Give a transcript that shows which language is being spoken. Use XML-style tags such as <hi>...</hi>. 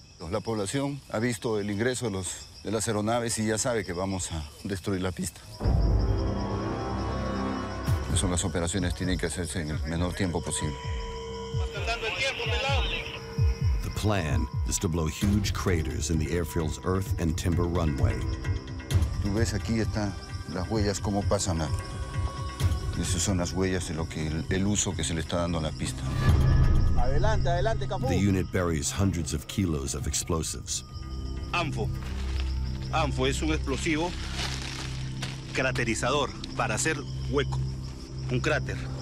<es>La población ha visto el ingreso de las aeronaves y ya sabe que vamos a destruir la pista. Eso, las operaciones tienen que hacerse en el menor tiempo posible.</es> <en>The plan is to blow huge craters in the airfield's earth and timber runway.</en> <es>Tú ves aquí están las huellas como pasan. Esas son las huellas de lo que el uso que se le está dando a la pista. Adelante, adelante, Capo.</es> <en>The unit buries hundreds of kilos of explosives.</en> <es>ANFO. ANFO es un explosivo craterizador para hacer hueco, un cráter.</es>